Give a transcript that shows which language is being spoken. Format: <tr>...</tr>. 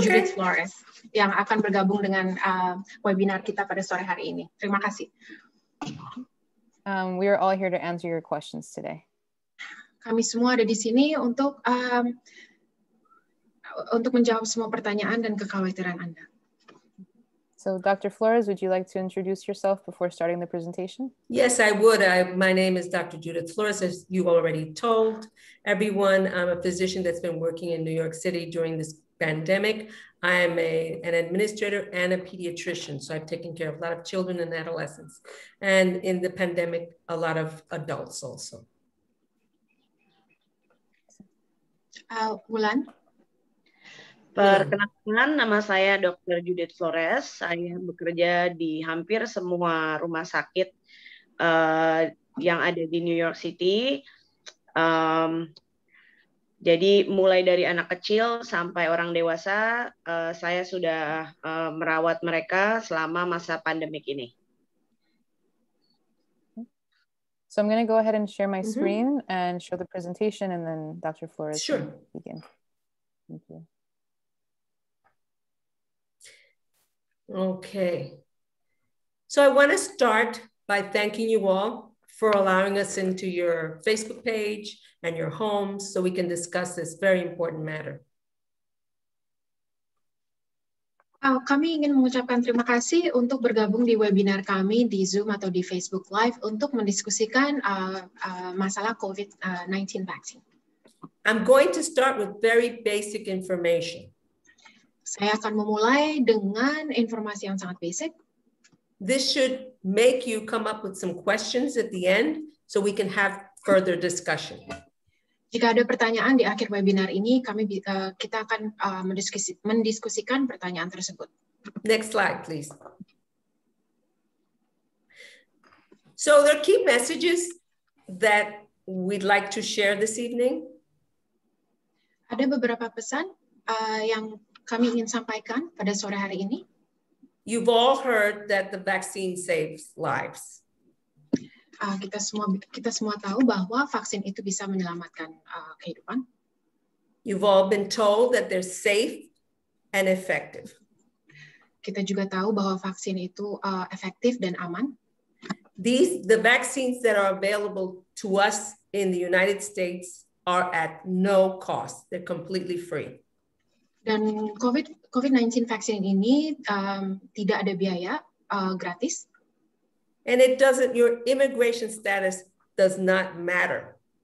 <id>Judith Flores yang akan bergabung dengan webinar kita pada sore hari ini. Terima kasih.</id> <en>We are all here to answer your questions today.</en> <id>Kami semua ada di sini untuk menjawab semua pertanyaan dan kekhawatiran Anda.</id> <en>So, Dr. Flores, would you like to introduce yourself before starting the presentation? Yes, I would. My name is Dr. Judith Flores, as you already told everyone. I'm a physician that's been working in New York City during this pandemic. I am an administrator and a pediatrician, so I've taken care of a lot of children and adolescents. And in the pandemic, a lot of adults also. Wulan?</en> <id>Perkenalkan, nama saya Dr. Judith Flores. Saya bekerja di hampir semua rumah sakit yang ada di New York City. Jadi mulai dari anak kecil sampai orang dewasa, saya sudah merawat mereka selama masa pandemik ini.</id> <en>So I'm going to go ahead and share my screen and show the presentation, and then Dr. Flores can begin. Thank you. Okay, so I want to start by thanking you all for allowing us into your Facebook page and your homes so we can discuss this very important matter.</en> <id>Kami ingin mengucapkan terima kasih untuk bergabung di webinar kami di Zoom atau di Facebook Live untuk mendiskusikan masalah COVID-19 vaksin.</id> <en>I'm going to start with very basic information.</en> <id>Saya akan memulai dengan informasi yang sangat basic.</id> <en>This should make you come up with some questions at the end so we can have further discussion.</en> <id>Jika ada pertanyaan di akhir webinar ini, kita akan mendiskusikan pertanyaan tersebut.</id> <en>Next slide, please. So there are key messages that we'd like to share this evening.</en> <id>Ada beberapa pesan yang kami ingin sampaikan pada sore hari ini.</id> <en>You've all heard that the vaccine saves lives.</en> <id>Kita semua tahu bahwa vaksin itu bisa menyelamatkan kehidupan.</id> <en>You've all been told that they're safe and effective.</en> <id>Kita juga tahu bahwa vaksin itu efektif dan aman.</id> <en>The vaccines that are available to us in the United States are at no cost. They're completely free.</en> <id>Dan COVID-19 vaksin ini tidak ada biaya, gratis.</id> <en>And it doesn't, your immigration status does not matter.</en>